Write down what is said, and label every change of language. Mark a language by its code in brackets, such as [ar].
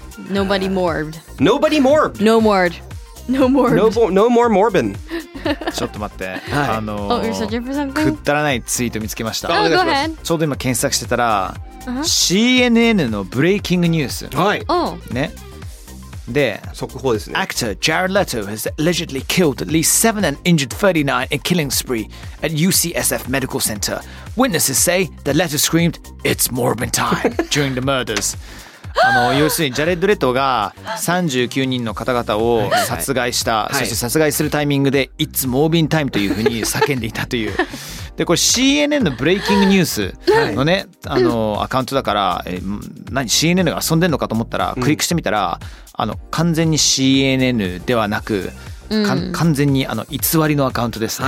[en] Nobody morbed. Nobody morbed. No morbed. No more. No more Morbin. [ja] ちょっと待って。はい、 [en] Oh, you're such a [ja] くったらないツイート見つけました。 [en] Oh, go ahead. [ja] ちょうど今検索してたら、CNN のブレイキングニュース。はい。ね。で、速報ですね。 [en] Actor Jared Leto has allegedly killed at least seven and injured 39 in killing spree at UCSF Medical Center. Witnesses say that Leto screamed, "It's Morbin time" during the murders. [ja] あの要するにジャレッド・レトが39人の方々を殺害した、そして殺害するタイミングで [en] It's Morbin Time [ja] というふうに叫んでいたという。でこれ CNN のブレイキングニュースのね、あのアカウントだから、何 CNN が遊んでんのかと思ったらクリックしてみたら、あの完全に CNN ではなく完全にあの偽りのアカウントですね、